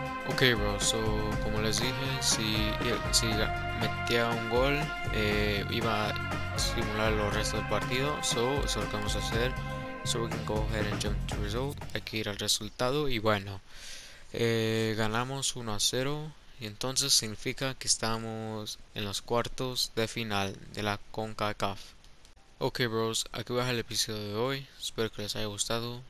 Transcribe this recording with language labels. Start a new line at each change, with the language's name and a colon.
English: Ok, bro, so,
Spanish: como les dije, si metía un gol, iba a simular los restos del partido. So, eso es lo que vamos a hacer.
English: So, we can go ahead and jump to result.
Spanish: Hay que ir al resultado. Y bueno, ganamos 1-0. Y entonces significa que estamos en los cuartos de final de la CONCACAF.
English: Ok, bros,
Spanish: aquí va el episodio de hoy. Espero que les haya gustado.